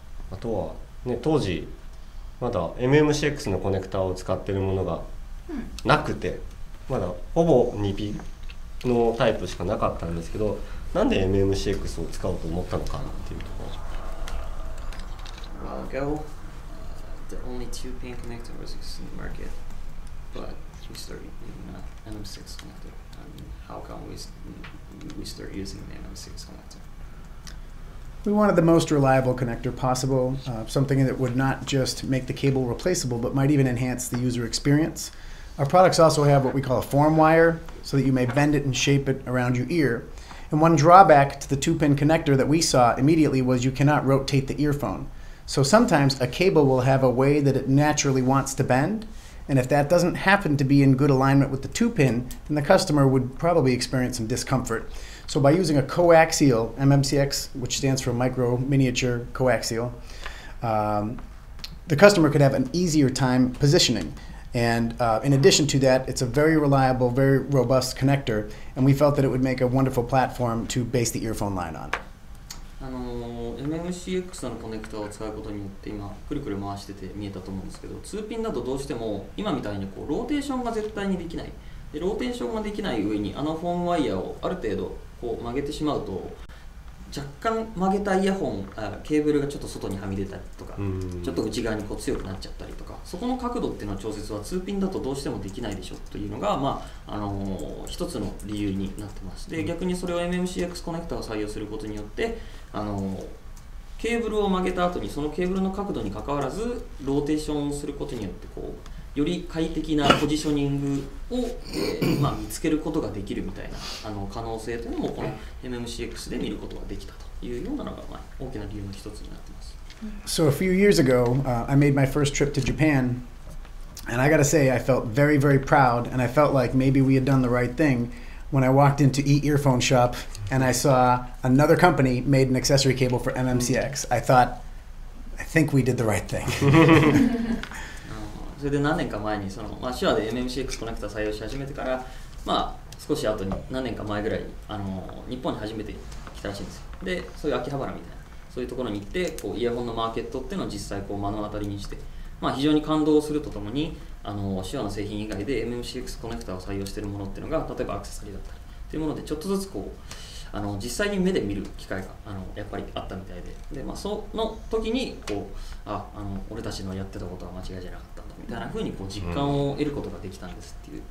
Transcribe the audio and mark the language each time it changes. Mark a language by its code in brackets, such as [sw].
[ja] あとは、ね、当時まだ MMCX のコネクタを使ってるものがなくて、まだほぼ 2Pのタイプしかなかったんですけど、なんで MMCX を使おうと思ったのかっていうところ。 [en] Well, ago, the only two pin connector was in the market, but we started using an MMCX connector. I mean, how come we start using an MMCX connector? We wanted the most reliable connector possible, something that would not just make the cable replaceable, but might even enhance the user experience. Our products also have what we call a form wire, so that you may bend it and shape it around your ear. And one drawback to the two-pin connector that we saw immediately was you cannot rotate the earphone. So sometimes a cable will have a way that it naturally wants to bend, and if that doesn't happen to be in good alignment with the two-pin, then the customer would probably experience some discomfort. So by using a coaxial MMCX, which stands for micro miniature coaxial, the customer could have an easier time positioning. And in addition to that, it's a very reliable, very robust connector, and we felt that it would make a wonderful platform to base the earphone line on. [ja] MMCX のコネクタを使うことによって今くるくる回してて見えたと思うんですけど、ツーピンだとどうしても今みたいにこうローテーションが絶対にできない。で、ローテーションができない上にフォームワイヤーをある程度こう曲げてしまうと、若干曲げたイヤホン、ケーブルがちょっと外にはみ出たりとか、ちょっと内側にこう強くなっちゃったりとか、そこの角度っていうのは調節は2ピンだとどうしてもできないでしょというのが、まあ一つの理由になってます。で、逆にそれを MMCX コネクタを採用することによって、ケーブルを曲げた後にそのケーブルの角度に関わらずローテーションすることによってこうより快適なポジショニングを、まあ、見つけることができるみたいなあの可能性というのもこの MMCX で見ることができたというようなのが、まあ、大きな理由の一つになっています。 [en] So a few years ago,、I made my first trip to Japan and I gotta say I felt very very proud and I felt like maybe we had done the right thingWhen I walked into eEarphone shop and I saw another company made an accessory cable for MMCX, I thought, I think we did the right thing. [ja] それで何年か前にその、まあ、シュアで MMCX コネクタ採用し始めてから、まあ、少し後に何年か前ぐらいにあの日本に初めて来たらしいんですよ。で、そういう秋葉原みたいな、そういうところに行って、こうイヤホンのマーケットっていうのを実際こう目の当たりにして、まあ、非常に感動するとともに、あのシュアの製品以外で MMCX コネクタを採用しているものっていうのが例えばアクセサリーだったりというものでちょっとずつこうあの実際に目で見る機会があのやっぱりあったみたい で、まあ、その時にこうああの俺たちのやってたことは間違いじゃなかったんだみたいな風にこう実感を得ることができたんですっていう、う